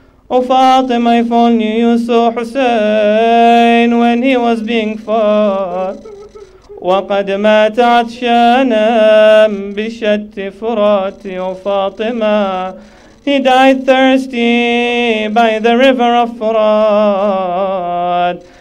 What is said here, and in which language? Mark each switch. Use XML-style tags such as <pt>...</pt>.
<en>O Fatima, if only you saw Hussein when he was being fought.</en> <ar>وقد مات عطشانا بشت فراتي.</ar> <en>O Fatima, he died thirsty by the river of Furat.</en>